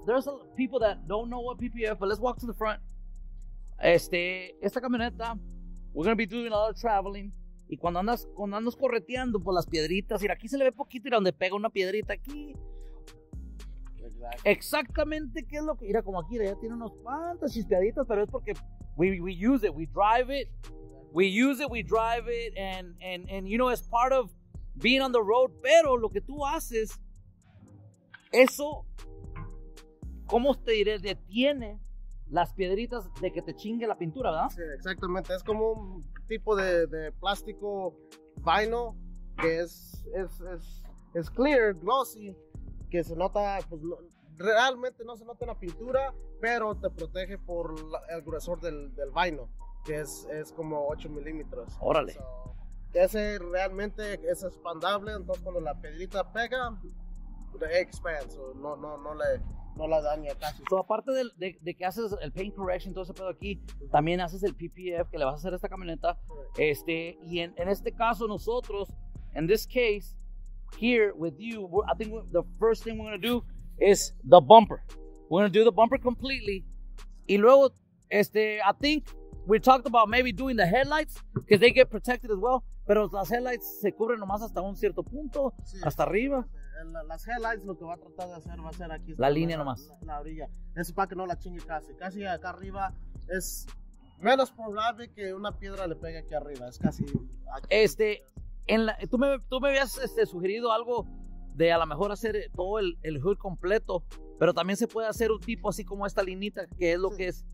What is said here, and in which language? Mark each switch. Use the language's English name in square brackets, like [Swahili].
[English] There's people that don't know what PPF, but let's walk to the front. [Spanish] Esta camioneta, [English] we're going to be doing a lot of traveling. [Spanish] Y cuando andas correteando por las piedritas, y aquí se le ve poquito, y donde pega una piedrita aquí. [English] Exactly. [Spanish] Exactamente qué es lo que... Mira, como aquí, ya tiene unos cuantas chispeaditas, pero es porque... [English] We use it, we drive it, and you know, as part of being on the road, [Spanish] pero lo que tú haces, eso, ¿cómo te diré? Detiene las piedritas de que te chingue la pintura, ¿verdad? Sí, exactamente. Es como un tipo de plástico vinyl que es [English] clear, glossy, [Spanish] que se nota, pues, no, realmente no se nota una pintura, pero te protege por la, el gruesor del vinyl, que es como 8 milímetros. ¡Órale! Ese realmente es expandable, entonces cuando la piedrita pega, [English] the expands, [Spanish] so no la daña casi. So, aparte de que haces el paint correction, todo ese pedo aquí, también haces el PPF que le vas a hacer a esta camioneta. Este, y en este caso nosotros, [English] in this case, here with you, I think the first thing we're going to do is the bumper. We're going to do the bumper completely. [Spanish] Y luego, este, [English] I think we talked about maybe doing the headlights because they get protected as well. [Spanish] Pero las headlights se cubren nomás hasta un cierto punto, sí, hasta arriba. Las headlights lo que va a tratar de hacer va a ser aquí. La línea nomás. La orilla. Eso para que no la chingue casi. Casi acá arriba es menos probable que una piedra le pegue aquí arriba. Es casi aquí. Este, en la, tú me habías sugerido algo de a lo mejor hacer todo el hood completo, pero también se puede hacer un tipo así como esta linita, que es lo sí.